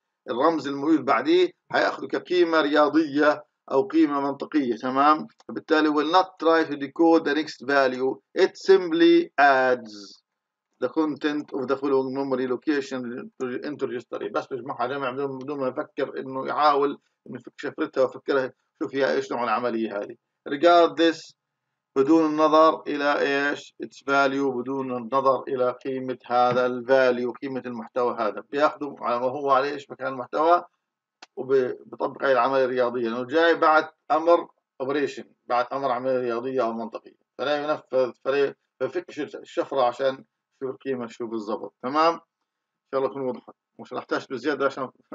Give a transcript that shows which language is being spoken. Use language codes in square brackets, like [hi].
[ar] الرمز الموجود بعديه، حياخذه كقيمة رياضية او قيمة منطقية، تمام؟ فبالتالي will not try to decode the next value. [en] It simply adds the content of the following memory location into registry. [ar] بس بجمعها جمع بدون ما يفكر انه يحاول انه يفك شفرتها ويفكرها شوف فيها ايش نوع العملية هذه. Regardless بدون النظر الى ايش its value، بدون النظر الى قيمة هذا ال value، قيمة المحتوى هذا، بياخذه على ما هو عليه ايش مكان المحتوى وبطبق هاي العملية الرياضية، لأنه جاي بعد أمر operation، بعد أمر عملية رياضية أو منطقية، فلا ينفذ، فلا يفكش الشفرة عشان شو القيمة شو بالضبط، تمام؟ إن شاء الله تكون واضحة، مش نحتاج بزيادة عشان